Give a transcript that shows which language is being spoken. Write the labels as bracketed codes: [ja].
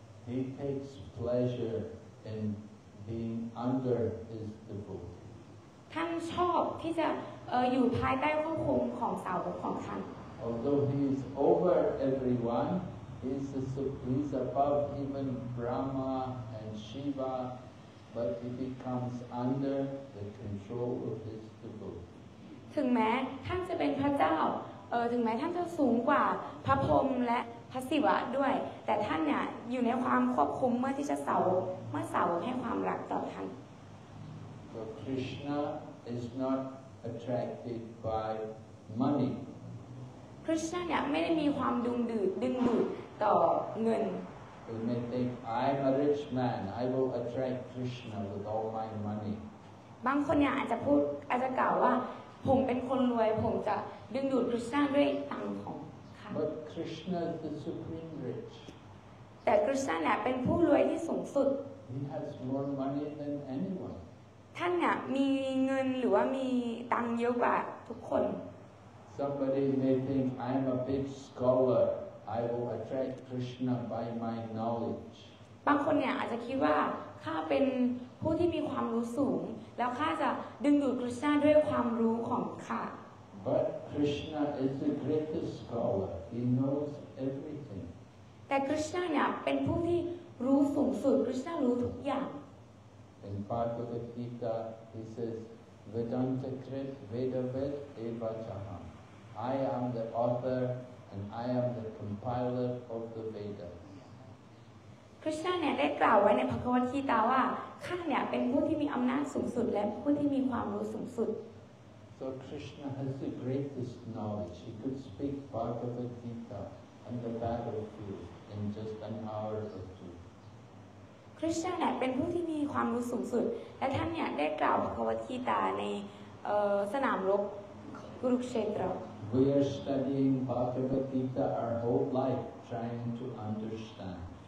[en] He takes pleasure in being under his devotee. [th] ท่านชอบที่จะอยู่ภายใต้ควบคุมของสาวกของท่าน [en] Although he is over everyone, he's above even Brahma and Shiva, but he becomes under the control of his devotee. [th] ถึงแม้ท่านจะเป็นพระเจ้าถึงแม้ท่านจะสูงกว่าพระพรหมและพระศิวะด้วยแต่ท่านเนี่ยอยู่ในความควบคุมเมื่อที่จะเมื่อสาวกให้ความรักต่อท่าน [en] But Krishna is not attracted by money. [th] Krishna เนี่ยไม่ได้มีความดึงดูดต่อเงิน [en] You may think I'm a rich man. I will attract Krishna with all my money. [th] บางคนเนี่ยอาจจะกล่าวว่าผมเป็นคนรวยผมจะดึงดูดคริสต์ด้วยตังค์ของข้า [en] But Krishna is the supreme rich. [th] แต่คริสต์เนี่ยเป็นผู้รวยที่สูงสุด [en] He has more money than anyone. [th] ท่านเนี่ยมีเงินหรือว่ามีตังค์เยอะกว่าทุกคน [en] Somebody may think I'm a big scholar. I will attract Krishna by my knowledge. [th] บางคนเนี่ยอาจจะคิดว่าข้าเป็นผู้ที่มีความรู้สูงแล้วข้าจะดึงดูดคริสต์ด้วยความรู้ของข้า [en] But Krishna is the greatest scholar. He knows everything. [th] แต่คริสณะเนี่ยเป็นผู้ที่รู้สูงสุดคริสณะรู้ทุกอย่าง [en] In Bhagavad Gita he says [sa] Vedanta Krit Vedavit Evachaha [en] I am the author and I am the compiler of the Vedas [th] คริสณะเนี่ยได้กล่าวไว้ในพระกวัตกีตาว่าข้าเนี่ยเป็นผู้ที่มีอำนาจสูงสุดและผู้ที่มีความรู้สูงสุด [en] So Krishna has the greatest knowledge. He could speak Bhagavad Gita on the battlefield in just an hour or two. [th] Krishna เนี่ยเป็นผู้ที่มีความรู้สูงสุดและท่านเนี่ยได้กล่าวพระกวีกีตาในสนามรบกุรุเคตร [en] We are studying Bhagavad Gita our whole life, trying to understand.